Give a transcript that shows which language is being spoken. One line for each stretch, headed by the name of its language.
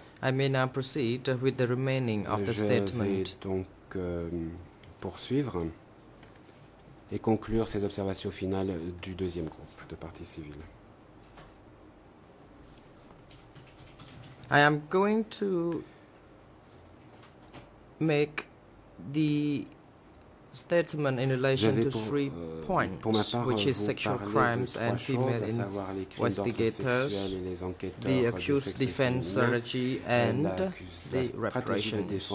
English: I may now proceed with the remaining of the statement.
French: Je vais donc poursuivre et conclure ces observations finales du deuxième groupe de parties civiles.
English: I am going to make the statement in relation to three points, which is sexual crimes and female investigators, the accused defense strategy and the reparations.